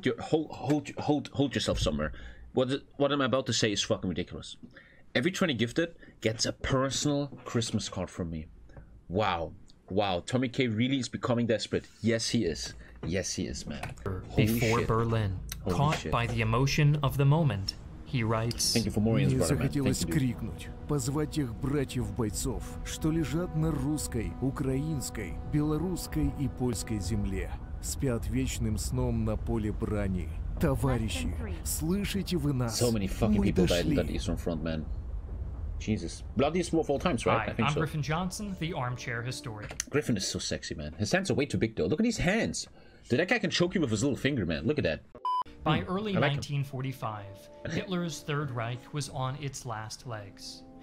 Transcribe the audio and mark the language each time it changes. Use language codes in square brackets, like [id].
[en] Hold yourself somewhere. What I'm about to say is fucking ridiculous. Every 20 gifted gets a personal Christmas card from me. Wow. Wow. TommyKay really is becoming desperate. Yes, he is. Yes, he is, man. Holy before shit. Berlin. Holy caught shit. By the emotion of the moment, he writes... Thank you for more ins, brother, man. [ru] Позвать их братьев бойцов, что лежат на русской, украинской, белорусской и польской земле. Спят вечным сном на поле брани. Товарищи, слышите вы нас? [en] So many fucking people died in that Eastern Front, man. Jesus. Bloodiest war of all times, right? Hi, I think I'm so. Griffin Johnson, the armchair historian. Griffin is so sexy, man. His hands are way too big, though. Look at his hands. Dude, that guy can choke you with his little finger, man. Look at that. By early 1945, Hitler's Third Reich was on its last legs.